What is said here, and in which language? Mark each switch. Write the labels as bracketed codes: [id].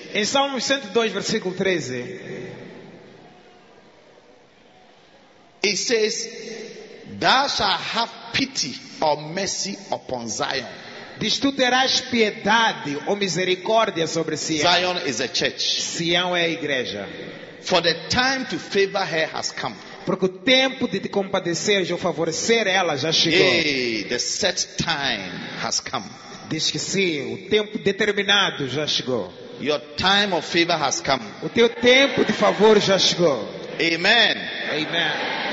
[pt] Em Salmo 102 versículo 13. [en] It says, "Thou shalt have pity or mercy upon Zion." [pt] Diz, tu terás piedade ou misericórdia sobre Sião. [en] Zion is a church. [pt] Sião é a igreja. [en] For the time to favor her has come. [pt] Porque o tempo de te compadecer ou favorecer ela já chegou. [en] Hey, the set time has come. [pt] Diz que sim, o tempo determinado já chegou. [en] Your time of favor has come. [pt] O teu tempo de favor já chegou. [en] Amen. Amen.